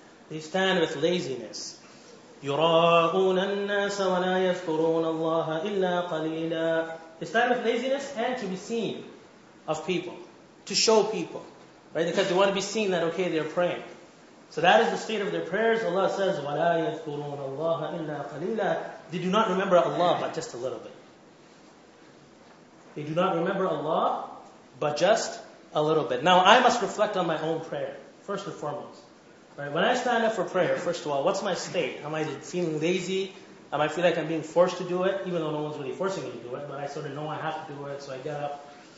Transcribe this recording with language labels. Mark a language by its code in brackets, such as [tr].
[en] They stand with laziness. [ar] يُرَاءُونَ النَّاسَ وَلَا يَذْكُرُونَ اللَّهَ إِلَّا قَلِيلًا. [en] They stand with laziness and to be seen of people, to show people, right? Because they want to be seen that, okay, they're praying. So that is the state of their prayers. Allah says, [ar] وَلَا يَذْكُرُونَ اللَّهَ إِلَّا قَلِيلًا. [en] They do not remember Allah, but just a little bit. They do not remember Allah, but just a little bit. Now, I must reflect on my own prayer, first and foremost. Right? When I stand up for prayer, first of all, what's my state? Am I feeling lazy? Am I feel like I'm being forced to do it, even though no one's really forcing me to do it, but I sort of know I have to do it, so I get up.